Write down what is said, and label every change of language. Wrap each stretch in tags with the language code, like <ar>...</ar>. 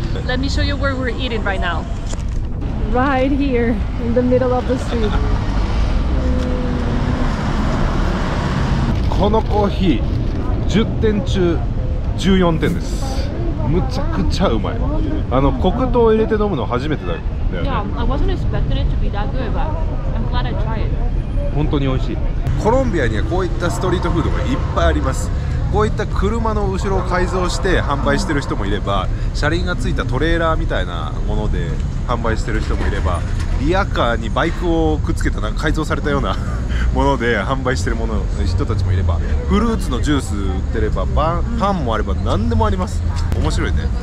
<en>Let me show you where we're eating right now. Right here in the middle of the street.</en> <ja>このコーヒー10点中14点です。むちゃくちゃうまい。あの黒糖を入れて飲むの初めてだよね。</ja> <en>Yeah, I wasn't expecting it to be that good, but I'm glad I tried it.</en> <ja>本当においしい。コロンビアにはこういったストリートフードがいっぱいあります。こういった車の後ろを改造して販売してる人もいれば、車輪がついたトレーラーみたいなもので販売してる人もいれば、リアカーにバイクをくっつけたなんか改造されたようなもので販売してるもの人たちもいれば、フルーツのジュース売ってればパンもあれば何でもあります。面白いね。</ja>